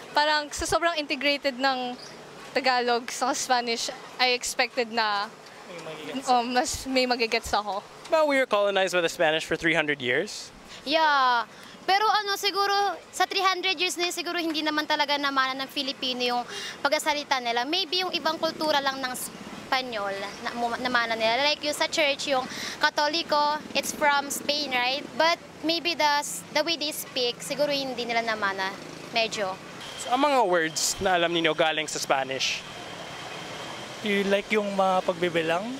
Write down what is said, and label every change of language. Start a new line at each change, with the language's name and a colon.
Filipino: Parang sa sobrang integrated ng Tagalog sa Spanish,
English: I expected
Filipino: na may magigets ako.
English: But we were colonized by the Spanish for 300 years.
Filipino: Yeah. Pero ano, siguro sa 300 years na yun, siguro hindi naman talaga namana ng Filipino yung pagkasalita nila. Maybe yung ibang kultura lang ng Espanyol na namana nila.
English: Like
Filipino: yung sa
English: church,
Filipino: yung Katoliko,
English: it's from Spain, right? But maybe the way they speak,
Filipino: siguro hindi nila namana. Medyo. So, ang mga words na alam niyo galing sa Spanish?
English: You like
Filipino: yung mga pagbibilang?